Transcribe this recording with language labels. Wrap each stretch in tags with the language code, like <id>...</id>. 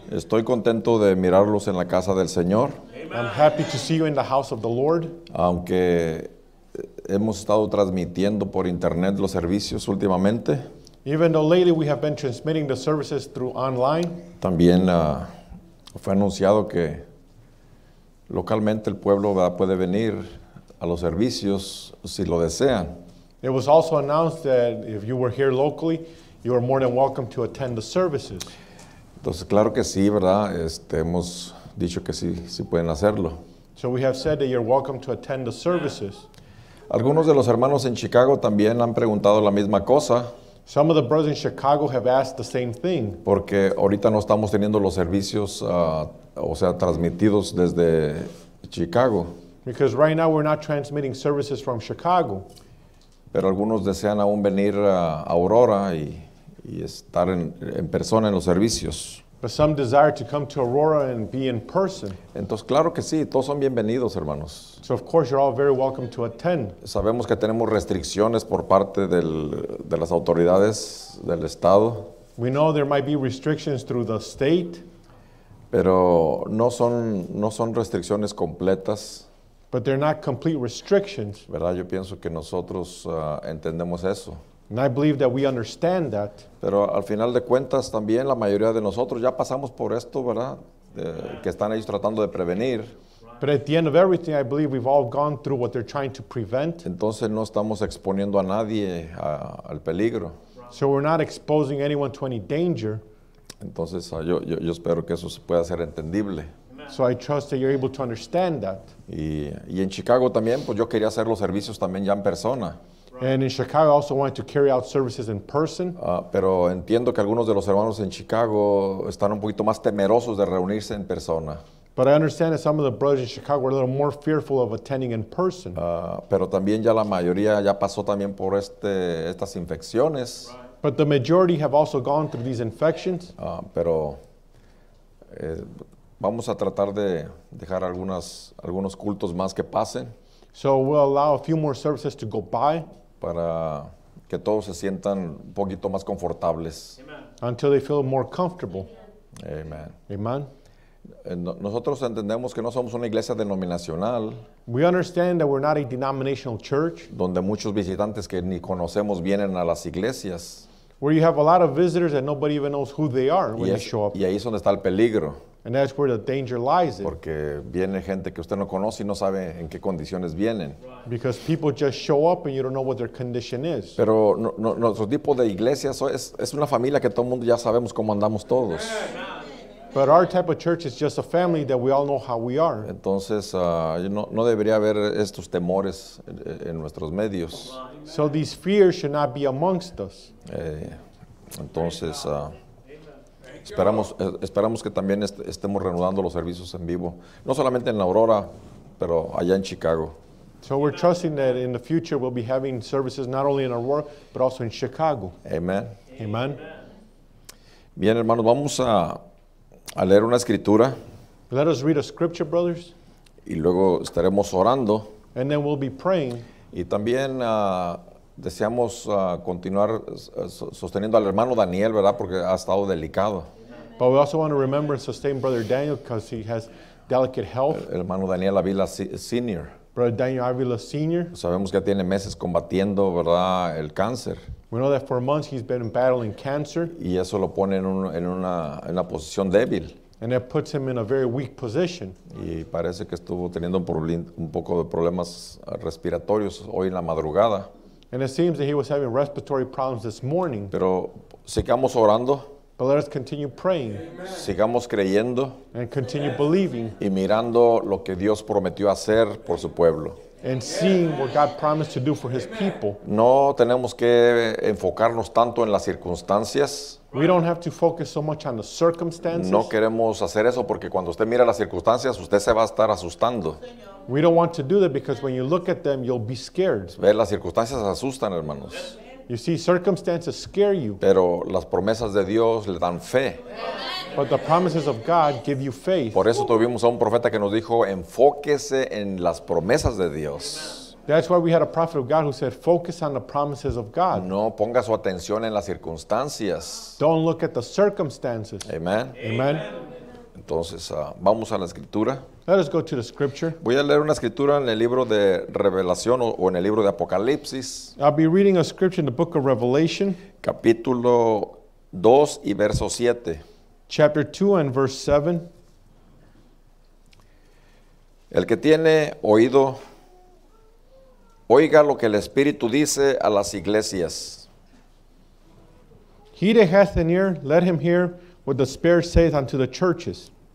<es>Estoy contento de mirarlos en la casa del Señor.</es> <en>Amen. I'm happy to see you in the house of the Lord.</en> <es>Aunque hemos estado transmitiendo por internet los servicios últimamente.</es> <en>Even though lately we have been transmitting the services through online.</en> <es>También fue anunciado que localmente el pueblo puede venir a los servicios si lo desean.</es> <en>It was also announced that if you were here locally, you are more than welcome to attend the services.</en> <es>Entonces, claro que sí, ¿verdad? Hemos dicho que sí, sí pueden hacerlo.</es> <en>So we have said that you're welcome to attend the services.</en> <es>Algunos de los hermanos en Chicago también han preguntado la misma cosa.</es> <en>Some of the brothers in Chicago have asked the same thing.</en> <es>Porque ahorita no estamos teniendo los servicios transmitidos desde Chicago.</es> <en>Because right now we're not transmitting services from Chicago.</en> <es>Pero algunos desean aún venir a Aurora y estar en persona en los servicios.</es> <en>But some desire to come to Aurora and be in person.</en> <es>Entonces, claro que sí, todos son bienvenidos, hermanos.</es> <en>So of course you're all very welcome to attend.</en> <es>Sabemos que tenemos restricciones por parte de las autoridades del estado.</es> <en>We know there might be restrictions through the state.</en> <es>Pero no son restricciones completas.</es> <en>But they're not complete restrictions.</en> <es>¿Verdad? Yo pienso que nosotros entendemos eso.</es> <en>And I believe that we understand that.</en> <es>Pero al final de cuentas también la mayoría de nosotros ya pasamos por esto, ¿verdad? Que están ellos tratando de prevenir.</es> <en>But at the end of everything, I believe we've all gone through what they're trying to prevent.</en> <es>Entonces no estamos exponiendo a nadie al peligro.</es> <en>So we're not exposing anyone to any danger.</en> <es>Entonces, yo espero que eso pueda ser entendible.</es> <en>So I trust that you're able to understand that.</en> <es>Y en Chicago también, pues yo quería hacer los servicios también ya en persona.</es> <en>And in Chicago, I also wanted to carry out services in person.</en> <es>Pero entiendo que algunos de los hermanos en Chicago están un poquito más temerosos de reunirse en persona.</es> <en>But I understand that some of the brothers in Chicago are a little more fearful of attending in person.</en> <es>Pero también ya la mayoría ya pasó también por estas infecciones.</es> <en>Right. But the majority have also gone through these infections.</en> <es>Vamos a tratar de dejar algunos cultos más que pasen.</es> <en>So we'll allow a few more services to go by.</en> <es>Para que todos se sientan un poquito más confortables.</es> <en>Amen. Until they feel more comfortable. Amen. Amen.</en> <es>Nosotros entendemos que no somos una iglesia denominacional.</es> <en>We understand that we're not a denominational church.</en> <es>Donde muchos visitantes que ni conocemos vienen a las iglesias.</es> <en>Where you have a lot of visitors and nobody even knows who they are when they show up.</en> <es>Y ahí es donde está el peligro.</es> <en>And that's where the danger lies.</en> <es>Porque viene gente que usted no conoce y no sabe en qué condiciones vienen.</es> <en>Right. Because people just show up and you don't know what their condition is.</en> <es>Pero nuestro tipo de iglesia es una familia que todo el mundo ya sabemos cómo andamos todos.</es> <en>But our type of church is just a family that we all know how we are.</en> <es>Entonces, no debería haber estos temores en nuestros medios.</es> <en>So these fears should not be amongst us.</en> <es>Entonces, esperamos que también estemos reanudando los servicios en vivo, no solamente en Aurora, pero allá en Chicago.</es> <en>So we're trusting that in the future we'll be having services not only in Aurora, but also in Chicago. Amen. Amen.</en> <es>Bien, hermanos, vamos a leer una escritura.</es> <en>Let us read a scripture, brothers.</en> <es>Y luego estaremos orando.</es> <en>And then we'll be praying.</en> <es>Y también deseamos continuar sosteniendo al hermano Daniel, ¿verdad? Porque ha estado delicado.</es> <en>But we also want to remember and sustain Brother Daniel because he has delicate health.</en> <es>El hermano Daniel Avila Sr.</es> <en>Brother Daniel Avila Sr.</en> <es>Sabemos que tiene meses combatiendo, ¿verdad? El cáncer.</es> <en>We know that for months he's been battling cancer.</en> <es>Y eso lo pone en una posición débil.</es> <en>And that puts him in a very weak position.</en> <es>Y parece que estuvo teniendo un poco de problemas respiratorios hoy en la madrugada.</es> <en>And it seems that he was having respiratory problems this morning.</en> <es>Pero sigamos orando.</es> <en>But let us continue praying.</en> <es>Amen. Sigamos creyendo.</es> <en>And continue yes. believing.</en> <es>Y mirando lo que Dios prometió hacer por su pueblo.</es> <en>And seeing what God promised to do for his people.</en> <es>No tenemos que enfocarnos tanto en las circunstancias.</es> <en>We don't have to focus so much on the circumstances.</en> <es>No queremos hacer eso porque cuando usted mira las circunstancias, usted se va a estar asustando.</es> <en>We don't want to do that because when you look at them, you'll be scared.</en> <es>Ver las circunstancias asustan, hermanos.</es> <en>You see, circumstances scare you.</en> <es>Pero las promesas de Dios le dan fe.</es> <en>But the promises of God give you faith.</en> <es>Por eso tuvimos a un profeta que nos dijo, enfóquese en las promesas de Dios.</es> <en>That's why we had a prophet of God who said, focus on the promises of God.</en> <es>No ponga su atención en las circunstancias.</es> <en>Don't look at the circumstances. Amen. Amen.</en> <es>Entonces, vamos a la escritura.</es> <en>Let us go to the scripture.</en> <es>Voy a leer una escritura en el libro de Revelación o en el libro de Apocalipsis.</es> <en>I'll be reading a scripture in the book of Revelation.</en> <es>Capítulo 2 y verso 7.</es> <en>Chapter 2 and verse 7.</en> <es>El que tiene oído, oiga lo que el Espíritu dice a las iglesias.</es> <en>He that hath an ear, let him hear what the Spirit saith unto the churches.</en>